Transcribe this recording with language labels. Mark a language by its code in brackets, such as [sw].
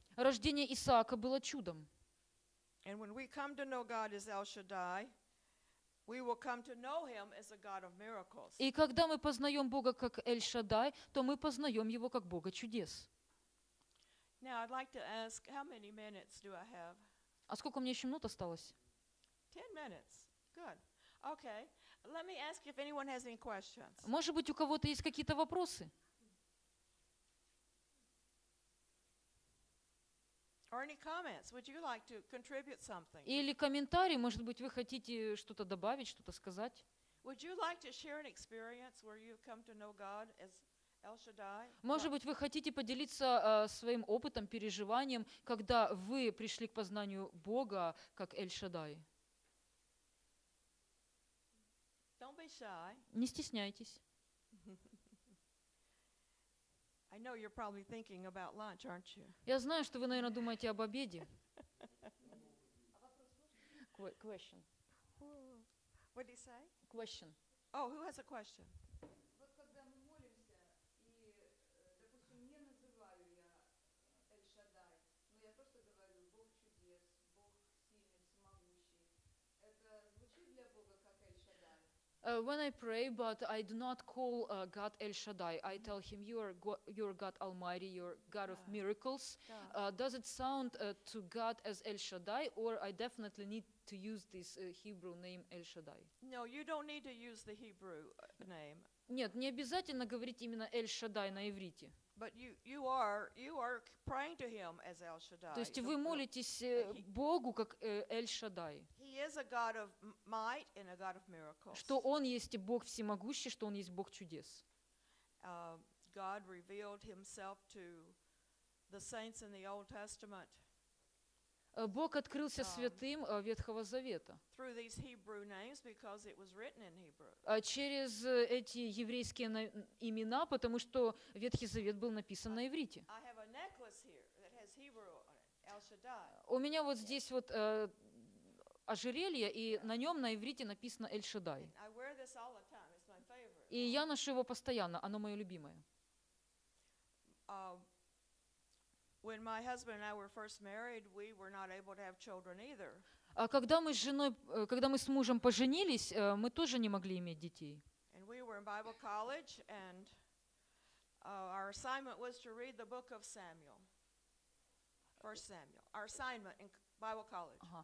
[ru] Рождение Исаака было чудом. И когда мы приходим к знанию Бога как Эль-Шаддай, [en] we will come to know Him as a God of miracles. [ru] И когда мы познаем Бога как Эль-Шаддай, то мы познаем Его как Бога чудес. [en] Now I'd like to ask, how many minutes do I have? [ru] А сколько мне еще минут осталось? [en] 10 minutes. Good. Okay. Let me ask if anyone has any questions. [ru] Может быть, у кого-то есть какие-то вопросы? [en] Or any comments? Would you like to contribute something? [ru] Или комментарий, может быть, вы хотите что-то добавить, что-то сказать? [en] Would you like to share an experience where you come to know God as El Shaddai? [ru] Может быть, вы хотите поделиться своим опытом, переживанием, когда вы пришли к познанию Бога как Эль-Шаддай? [en] Don't be shy. [ru] Не стесняйтесь. [en] I know you're probably thinking about lunch, aren't you? [ru] Я знаю, что вы, наверное, думаете об обеде. [en] Question. What did he say? Question. Oh, who has a question? [ru] Вот когда мы молимся, и, допустим, не называю я Эль-Шаддай, но я просто говорю Бог чудес, Бог сильный, всемогущий. Это звучит для Бога как Эль-Шаддай? [en] When I pray, but I do not call God El Shaddai, I tell him, you're God Almighty, you're God of miracles. Does it sound to God as El Shaddai, or I definitely need to use this Hebrew name El Shaddai? No, you don't need to use the Hebrew name. [ru] Нет, не обязательно говорить именно El Shaddai на иврите. [en] But you are praying to him as El Shaddai. [ru] То есть вы молитесь Богу как Эль-Шаддай. [en] He is a God of might and a God of miracles. [ru] Что он есть Бог всемогущий, что он есть Бог чудес. [en] God revealed himself to the saints in the Old Testament. [ru] Бог открылся святым Ветхого Завета. [en] Through these Hebrew names because it was written in Hebrew. [ru] Через эти еврейские имена, потому что Ветхий Завет был написан на иврите. [en] I have a necklace here that has Hebrew on it, El Shaddai. [ru] У меня вот здесь вот ожерелье, и на нем на иврите написано El Shaddai. [en] I wear this all the time. It's my favorite. [ru] И я ношу его постоянно, оно мое любимое. [en] When my husband and I were first married, we were not able to have children either. [ru] Когда мы с мужем поженились, мы тоже не могли иметь детей. [en] And we were in Bible college, and our assignment was to read the book of Samuel. First Samuel. Our assignment in Bible college.